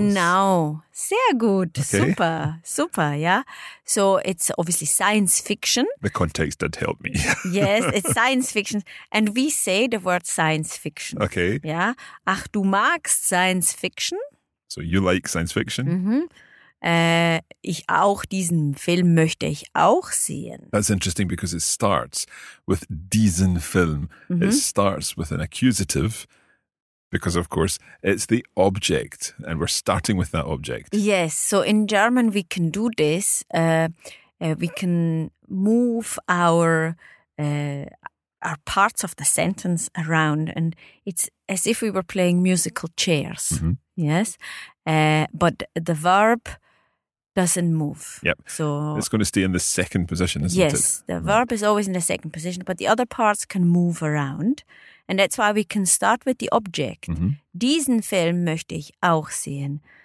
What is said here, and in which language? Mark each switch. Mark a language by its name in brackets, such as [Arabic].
[German] Genau. Sehr gut. Okay. Super, yeah. [English] So it's obviously science fiction. The context did help me. Yes, it's science fiction. And we say the word science fiction. Okay. [German] Yeah. Ach, du magst science fiction. [English] So you like science fiction. Mm-hmm. [German] Ich auch diesen Film möchte ich auch sehen. [English] That's interesting because it starts with [German] diesen Film. Mm-hmm. [English] It starts with an accusative because, of course, it's the object and we're starting with that object. Yes, so in German we can do this. We can move our parts of the sentence around and it's as if we were playing musical chairs. Mm-hmm. Yes, but the verb doesn't move. Yep. So it's going to stay in the second position, isn't yes, it? Yes, the right. verb is always in the second position, but the other parts can move around. And that's why we can start with the object. Mm-hmm. [German] Diesen Film möchte ich auch sehen.